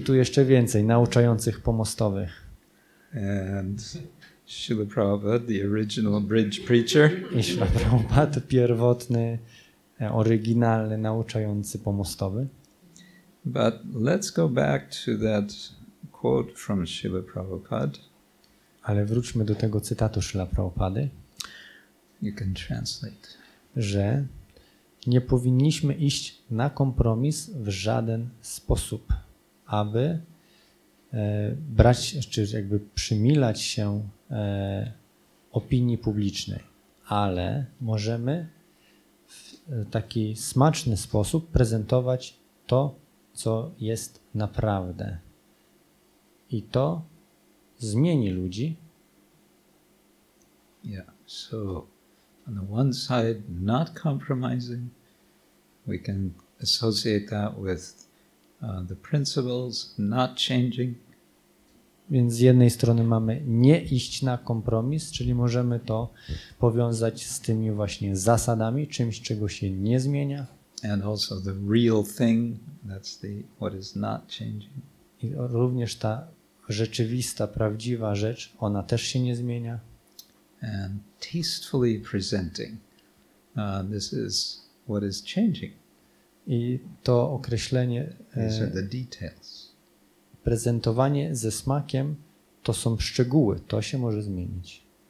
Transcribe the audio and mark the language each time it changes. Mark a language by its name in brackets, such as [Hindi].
[Polish] I tu jeszcze więcej nauczających pomostowych. [English] And Śrīla Prabhupāda, the original bridge preacher. [Polish] I Śrīla Prabhupāda, pierwotny, oryginalny, nauczający pomostowy. [English] But let's go back to that quote from Śrīla Prabhupāda. [Polish] Ale wróćmy do tego cytatu Śrīla Prabhupāda. [English] You can translate. [Polish] Że nie powinniśmy iść na kompromis w żaden sposób, aby brać, czy jakby przymilać się opinii publicznej, ale możemy w taki smaczny sposób prezentować to, co jest naprawdę. I to zmieni ludzi. [English] Yeah, so on the one side, not compromising, we can associate that with the principles, not changing. [Polish] Więc z jednej strony mamy nie iść na kompromis, czyli możemy to powiązać z tymi właśnie zasadami, czymś, czego się nie zmienia. [English] And also the real thing, that's the what is not changing. [Polish] I również ta rzeczywista, prawdziwa rzecz, ona też się nie zmienia. [English] And tastefully presenting, this is what is changing. [Polish] I to określenie. [English] These are the details. [Polish] Prezentowanie ze smakiem to są szczegóły, to się może zmienić.